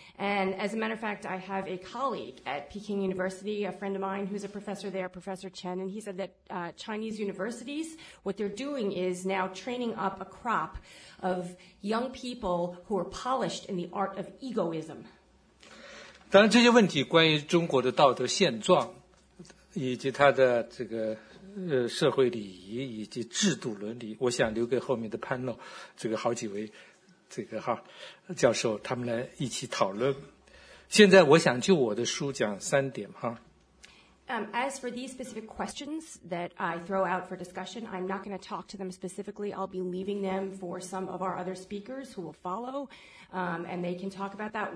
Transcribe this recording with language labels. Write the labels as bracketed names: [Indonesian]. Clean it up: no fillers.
[English] And as a matter of fact, I have a colleague at Peking University, a friend of mine who's a professor there, Professor Chen, and he said that Chinese universities, what they're doing is now training up a crop of young people who are polished in the art of egoism. [Chinese] 当然这些问题关于中国的道德现状以及它的这个社会礼仪以及制度伦理，我想留给后面的 panel 这个好几位这个哈教授他们来一起讨论。现在我想就我的书讲三点哈。 [English] As for these specific questions that I throw out for discussion, I'm not going to talk to them specifically. I'll be leaving them for some of our other speakers who will follow, and they can talk about that.